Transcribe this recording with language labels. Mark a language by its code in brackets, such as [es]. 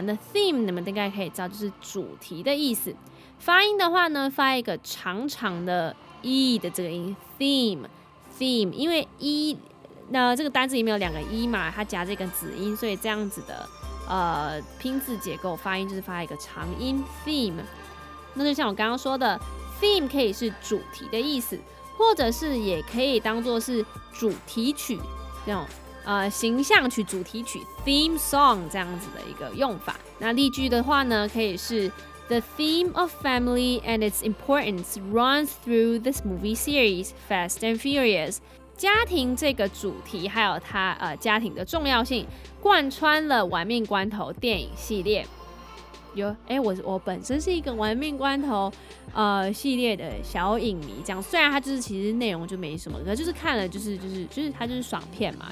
[zh] 那 theme 你们应该可以知道，就是主题的意思。发音的话呢，发一个长长的 e 的这个音 theme， 因为 e 那这个单字里面有两个 e 嘛，它夹着一个子音，所以这样子的拼字结构发音就是发一个长音 theme。那就像我刚刚说的 ，theme 可以是主题的意思，或者是也可以当作是主题曲这种。形象曲、主题曲 theme song 这样子的一个用法。那例句的话呢，可以是 [en] The theme of family and its importance runs through this movie series Fast and Furious. [zh] 家庭这个主题还有它家庭的重要性贯穿了玩命关头电影系列。我本身是一个玩命关头系列的小影迷，这样虽然它就是其实内容就没什么，可是就是看了就是它就是爽片嘛。